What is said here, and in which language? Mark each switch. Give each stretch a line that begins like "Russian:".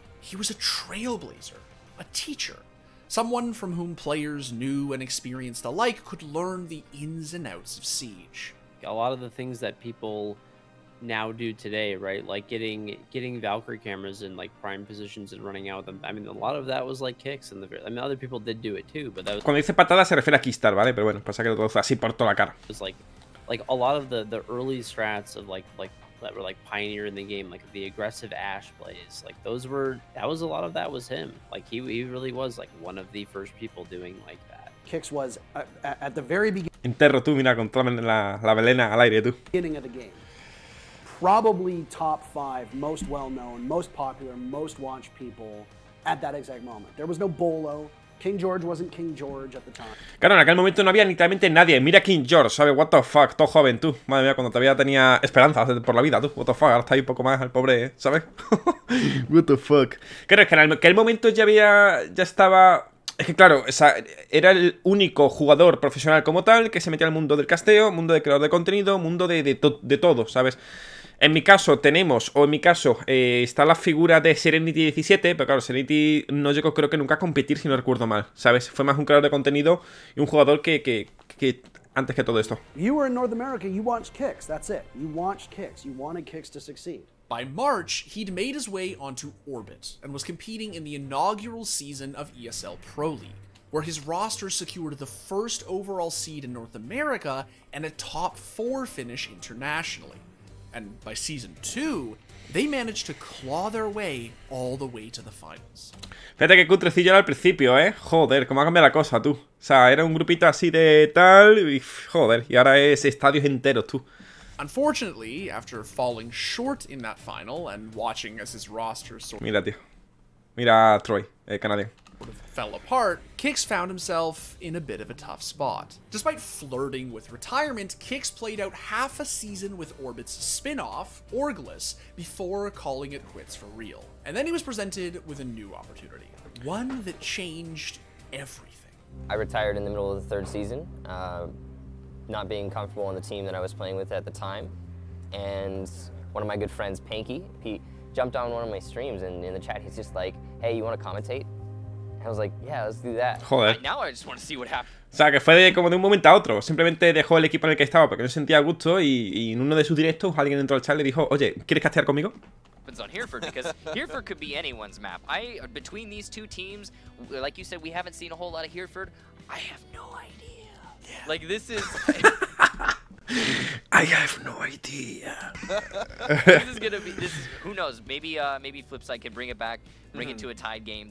English: He was a trailblazer, a teacher, someone from whom players new and experienced alike could learn the ins and outs of Siege. A lot of the things that people now do today, right, like getting Valkyrie cameras in, like, prime positions and running out with them, I mean, a lot of that was like Kix, and other people did do it too, but that was
Spanish: cuando dice patada se refiere a Kickstar, vale, pero bueno, pasa que lo traduce así por toda la cara.
English: It's like a lot of the early strats of like that were like pioneer in the game, like the aggressive Ashe plays, like those were, that was a lot of that was him. Like he really was like one of the first people doing like that. Kix was at the very beginning.
Spanish: Enterro tú, mira, controlame la velena al aire tú.
English: Beginning of the game. Probably top five most well-known, most popular, most watched people at that exact moment. There was no Bolo. King George wasn't King George at the time.
Spanish: Claro, en aquel momento no había literalmente nadie. Mira King George, ¿sabes?
English: What the fuck,
Spanish: todo joven, tú. Madre mía, cuando todavía tenía esperanza por la vida, tú.
English: What the fuck,
Spanish: ahora está ahí un poco más al pobre, ¿eh? ¿Sabes?
English: What the fuck.
Spanish: Claro, es que en aquel momento ya estaba... Es que claro, o sea, era el único jugador profesional como tal que se metía al mundo del casteo, mundo de creador de contenido, mundo de todo, ¿sabes? En mi caso tenemos, o en mi caso, está la figura de Serenity 17, pero claro, Serenity no llegó creo que nunca a competir, si no recuerdo mal, ¿sabes? Fue más un creador de contenido y un jugador que antes que todo esto.
English: You were in North America, you watched Kix, that's it. You watched Kix, you wanted Kix to succeed. By March, he'd made his way onto Orbit and was competing in the inaugural season of ESL Pro League, where his roster secured the first overall seed in North America and a top four finish internationally. And by season two, they managed to claw their way all the way to the finals.
Spanish: Fíjate que cutrecillo era al principio, ¿eh? Joder, cómo ha cambiado la cosa, tú. O sea, era un grupito así de tal y joder, y ahora es estadios enteros, tú.
English: Unfortunately, after falling short in that final and watching as his roster sort of
Spanish: mira, tío. Mira, Troy, Canadian.
English: Sort of fell apart, Kix found himself in a bit of a tough spot. Despite flirting with retirement, Kix played out half a season with Orbit's spin-off, Orglis, before calling it quits for real. And then he was presented with a new opportunity, one that changed everything. I retired in the middle of the third season. Not being comfortable on the team that I was playing with at the time. and one of my good friends, Panky, he jumped on one of my streams, and in the chat, he's just like, hey, you want to commentate? And I was like, yeah, let's do that.
Spanish: Joder.
English: Right now, I just want to see what happens.
Spanish: O sea, que fue como de un momento a otro. Simplemente dejó el equipo en el que estaba porque no sentía gusto, y en uno de sus directos, alguien entró al chat y le dijo, oye, ¿quieres castear conmigo?
English: On Hereford, because Hereford could be anyone's map. I, between these two teams, like you said, we haven't seen a whole lot of Hereford. I have no idea. Yeah. Like, this is... I have no idea. This is gonna be, this is, who knows, maybe maybe Flipside can bring it back, bring it to a tied game.